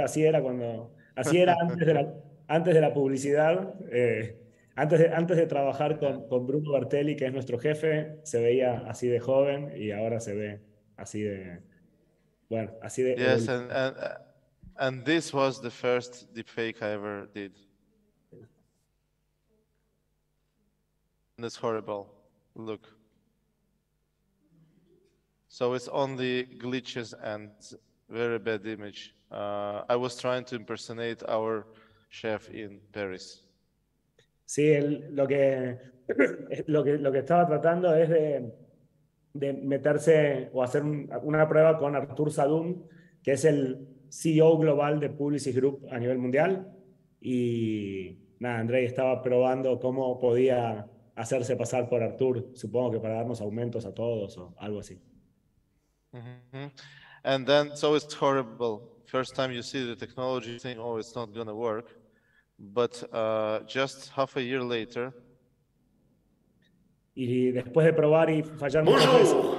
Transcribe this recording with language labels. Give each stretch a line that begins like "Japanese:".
Spanish: Así era antes de la publicidad, antes de trabajar con Bruno Bartelli, que es nuestro jefe, se veía así de joven y ahora se ve así de bueno, así de.
English: Yes, and this was the first deepfake I ever did. And it's horrible. Look. So it's only glitches and very bad image. I was trying to impersonate our chef in Paris.
Spanish: Sí, lo que estaba tratando es de meterse o hacer una prueba con Artur Sadoun, que es el CEO global de Publicis Group a nivel mundial. Y nada, Andrei estaba probando cómo podía hacerse pasar por Artur, supongo que para darnos aumentos a todos o algo así.
English: Mm-hmm. And then, so it's horrible. First time you see the technology, you think, oh, it's not going to work. But just half a year later.
Spanish: Y después de probar y fallar muchas veces.